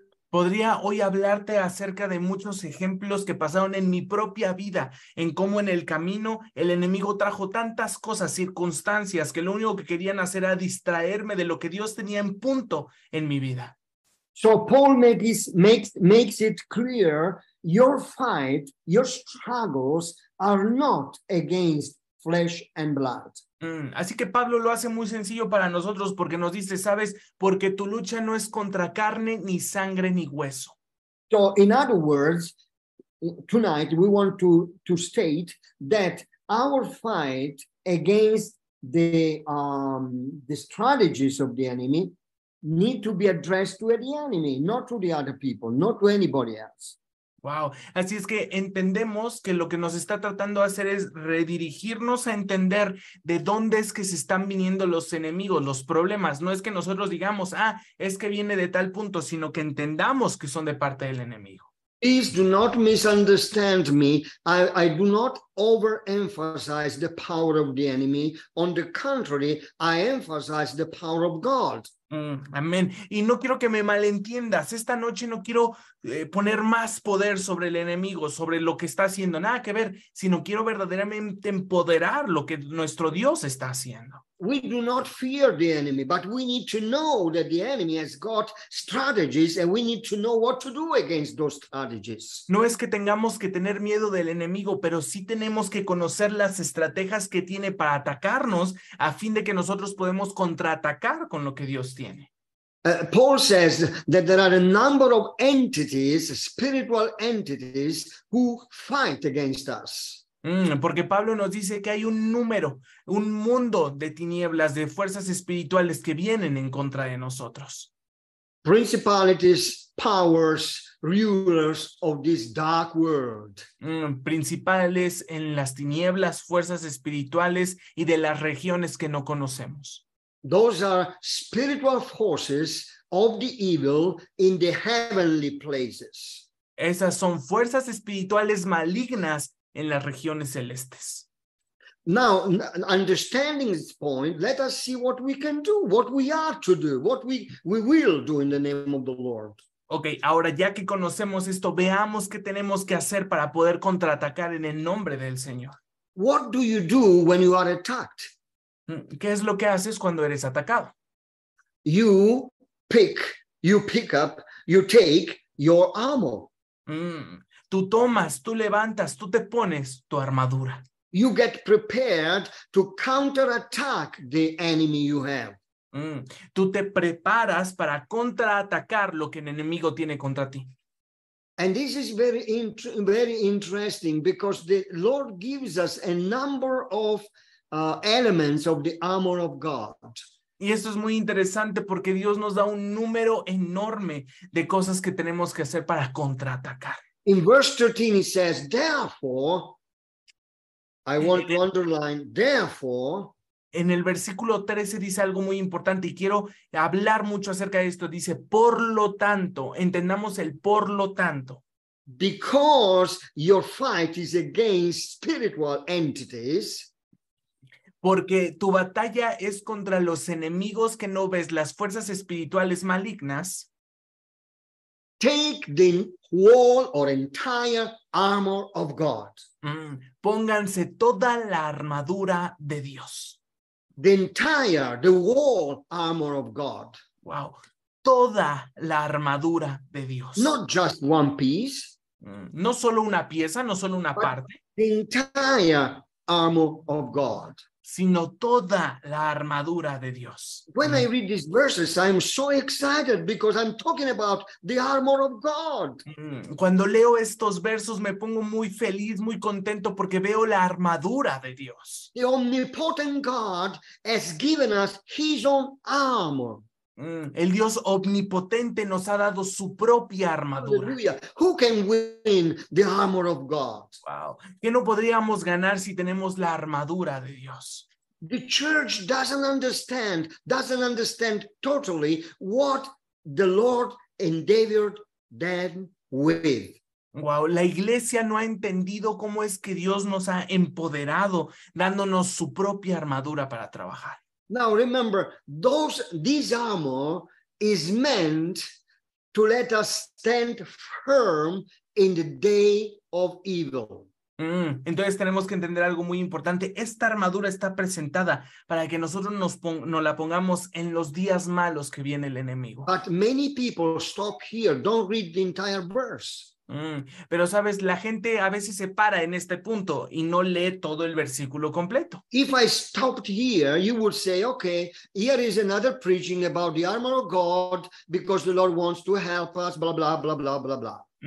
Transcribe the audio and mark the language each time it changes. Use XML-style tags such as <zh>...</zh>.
<es>Podría hoy hablarte acerca de muchos ejemplos que pasaron en mi propia vida, en cómo en el camino el enemigo trajo tantas cosas, circunstancias, que lo único que querían hacer era distraerme de lo que Dios tenía en punto en mi vida.</es> <en>So Paul makes it clear, your fight, your struggles are not against flesh and blood.</en> <es>Así que Pablo lo hace muy sencillo para nosotros porque nos dice, sabes, porque tu lucha no es contra carne, ni sangre, ni hueso.</es> <en>So, in other words, tonight we want to state that our fight against the strategies of the enemy need to be addressed to the enemy, not to the other people, not to anybody else.</en> <es>Wow, así es que entendemos que lo que nos está tratando de hacer es redirigirnos a entender de dónde es que se están viniendo los enemigos, los problemas. No es que nosotros digamos, ah, es que viene de tal punto, sino que entendamos que son de parte del enemigo.</es> <en>Please do not misunderstand me. I do not overemphasize the power of the enemy. On the contrary, I emphasize the power of God.</en> <es>Amén. Y no quiero que me malentiendas. Esta noche no quiero poner más poder sobre el enemigo, sobre lo que está haciendo. Nada que ver, sino quiero verdaderamente empoderar lo que nuestro Dios está haciendo.</es> <en>We do not fear the enemy, but we need to know that the enemy has got strategies and we need to know what to do against those strategies.</en> <es>No es que tengamos que tener miedo del enemigo, pero sí tenemos que conocer las estrategias que tiene para atacarnos a fin de que nosotros podemos contraatacar con lo que Dios tiene.</es> <en>Paul says that there are a number of entities, spiritual entities, who fight against us.</en> <es>Porque Pablo nos dice que hay un número, un mundo de tinieblas, de fuerzas espirituales que vienen en contra de nosotros.</es> <en>Principalities, powers, rulers of this dark world.</en> <es>Principales en las tinieblas, fuerzas espirituales y de las regiones que no conocemos.</es> <en>Those are spiritual forces of the evil in the heavenly places.</en> <es>Esas son fuerzas espirituales malignas en las regiones celestes.</es> <en>Now, understanding this point, let us see what we can do, what we are to do, what we will do in the name of the Lord.</en> <es>Okay, ahora ya que conocemos esto, veamos qué tenemos que hacer para poder contraatacar en el nombre del Señor.</es> <en>What do you do when you are attacked?</en> <es>¿Qué es lo que haces cuando eres atacado?</es> <en>You take your armor.</en> <es>Tú tomas, tú levantas, tú te pones tu armadura.</es> <en>You get prepared to counterattack the enemy you have.</en> <es>Tú te preparas para contraatacar lo que el enemigo tiene contra ti.</es> <en>And this is very interesting because the Lord gives us a number of elements of the armor of God.</en> <es>Y esto es muy interesante porque Dios nos da un número enorme de cosas que tenemos que hacer para contraatacar.</es> <en>In verse 13 it says, therefore, I want to underline, therefore.</en> <es>En el versículo 13 dice algo muy importante y quiero hablar mucho acerca de esto. Dice, por lo tanto, entendamos el por lo tanto.</es> <en>Because your fight is against spiritual entities.</en> <es>Porque tu batalla es contra los enemigos que no ves, las fuerzas espirituales malignas.</es> <en>Take the whole or entire armor of God.</en> <es>Pónganse toda la armadura de Dios.</es> <en>The whole armor of God.</en> <es>Wow. Toda la armadura de Dios.</es> <en>Not just one piece.</en> <es>No solo una pieza, no solo una parte.</es> <en>The entire armor of God.</en> <es>Sino toda la armadura de Dios.</es> <en>When I read these verses, I'm so excited because I'm talking about the armor of God.</en> <es>Cuando leo estos versos, me pongo muy feliz, muy contento porque veo la armadura de Dios.</es> <en>The omnipotent God has given us his own armor.</en> <es>El Dios omnipotente nos ha dado su propia armadura.</es> <en>Hallelujah. Who can win the armor of God? Wow.</en> <es>¿Qué no podríamos ganar si tenemos la armadura de Dios?</es> <en>The church doesn't understand totally what the Lord endeavored them with.</en> <es>Wow, la iglesia no ha entendido cómo es que Dios nos ha empoderado dándonos su propia armadura para trabajar.</es> <en>Now remember, this armor is meant to let us stand firm in the day of evil.</en> <es>Entonces tenemos que entender algo muy importante. Esta armadura está presentada para que nosotros nos la pongamos en los días malos que viene el enemigo.</es> <en>But many people stop here, don't read the entire verse.</en> <es>Pero sabes, la gente a veces se para en este punto y no lee todo el versículo completo.</es> <en>If I stopped here, you would say, okay, here is another preaching about the armor of God because the Lord wants to help us, blah, blah, blah, blah, blah, blah.</en>